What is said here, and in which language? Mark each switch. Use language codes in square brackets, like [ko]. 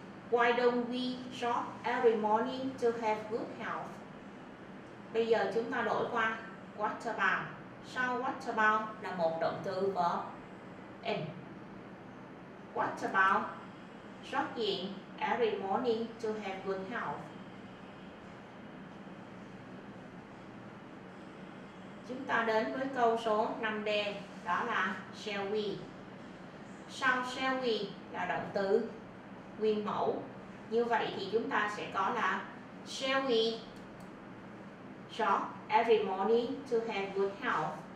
[en] Why don't we shop every morning to have good health? [vi] Bây giờ chúng ta đổi qua what about. Sau what about là một động từ verb in. [en] What about shopping every morning to have good health? [vi] Chúng ta đến với câu số 5D, đó là shall we. Sau shall we là động từ nguyên mẫu. Như vậy thì chúng ta sẽ có là [en] shall we shop every morning to have good health.